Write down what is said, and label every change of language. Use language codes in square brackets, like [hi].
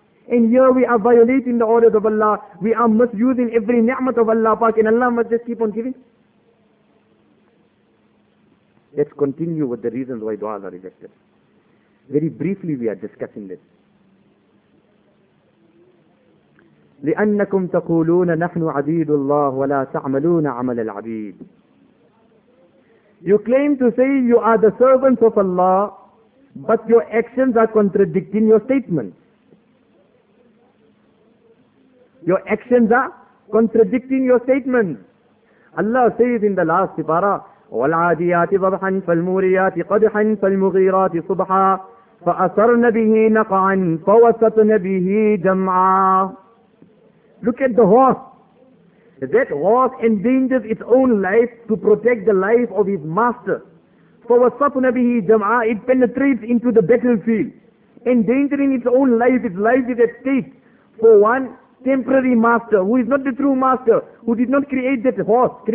[en] And here we are violating the orders of Allah. We are misusing every ni'mat of Allah Pak, and Allah must just keep on giving. Let's continue with the reasons why du'as are rejected. Very briefly we are discussing this. [ar] لأنكم تقولون نحن عبيد الله ولا تعملون عمل العبيد. [en] You claim to say you are the servants of Allah, but your actions are contradicting your statement. Your actions are contradicting your statement. Allah says in the last sifara, [ar] والعاديات ضبحا فالموريات قدحا فالمغيرات صبحا فأثرن به نقعا فوسطن به جمعا. [en] Look at the horse. That horse endangers its own life to protect the life of his master. [ar] فَوَسَّطُنَ بِهِ جَمْعًا. [en] It penetrates into the battlefield, endangering its own life. Its life is at stake for one temporary master who is not the true master, who did not create that horse.